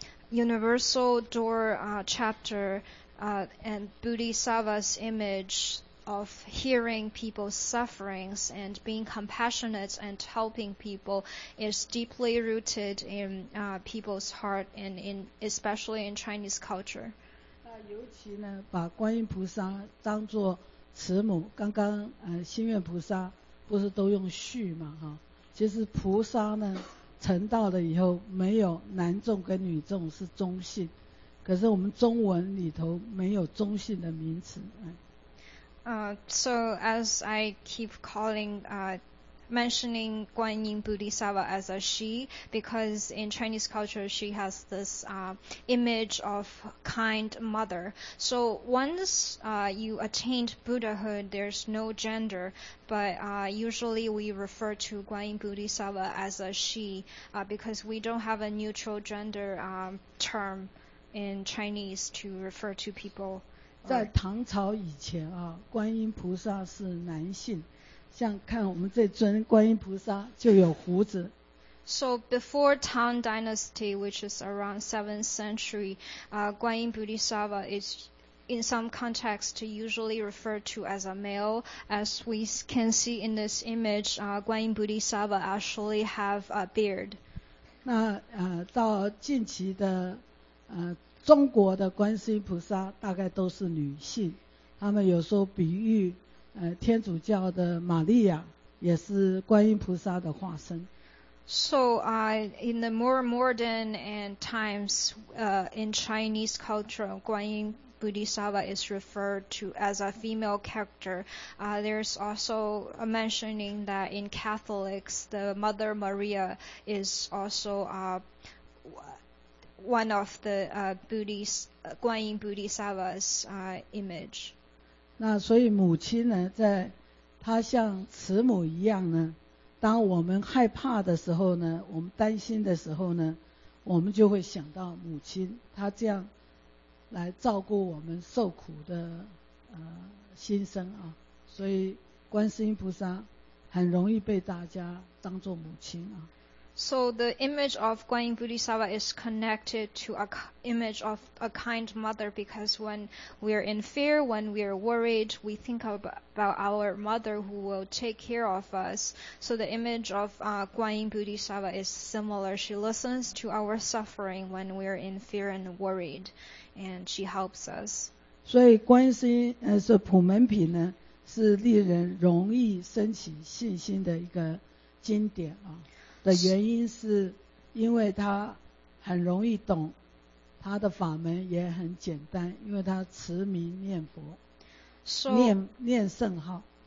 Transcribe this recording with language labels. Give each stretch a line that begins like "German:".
English: Universal Door chapter and Bodhisattva's image of hearing people's sufferings and being compassionate and helping people is deeply rooted in people's heart and in especially in Chinese culture.
Chinese: 尤其呢，把观音菩萨当作慈母。刚刚心愿菩萨不是都用序嘛？哈，其实菩萨呢，成道了以后没有男众跟女众，是中性。可是我们中文里头没有中性的名词。
English: So as I keep calling, mentioning Guanyin Bodhisattva as a she, because in Chinese culture she has this image of kind mother. So once you attained Buddhahood, there's no gender, but usually we refer to Guanyin Bodhisattva as a she, because we don't have a neutral gender term in Chinese to refer to people.
Chinese: 在唐朝以前啊，观音菩萨是男性，像看我们这尊观音菩萨就有胡子。
English: So before Tang Dynasty, which is around 7th century, Guanyin Bodhisattva is in some context usually referred to as a male. As we can see in this image, Guanyin Bodhisattva actually have a beard.
Chinese: 那到近期的中国的观世音菩萨大概都是女性，他们有时候比喻天主教的玛利亚也是观音菩萨的化身。
English: So, in the more modern and times, in Chinese culture, 观音 Bodhisattva is referred to as a female character. There's also a mentioning that in Catholics, the Mother Maria is also one of the Guanyin Bodhisattva's image.
Chinese: 那所以母亲呢，在她像慈母一样呢，当我们害怕的时候呢，我们担心的时候呢，我们就会想到母亲，她这样来照顾我们受苦的心声啊。所以观世音菩萨很容易被大家当作母亲啊。
English: So the image of Guanyin Bodhisattva is connected to a image of a kind mother, because when we are in fear, when we are worried, we think about our mother who will take care of us. So the image of Guanyin Bodhisattva is similar. She listens to our suffering when we are in fear and worried, and she helps us.
Chinese: 所以观世音是普门品呢，是令人容易升起信心的一个经典啊。的原因是因为他很容易懂，他的法门也很简单，因为他持名念佛，念圣号。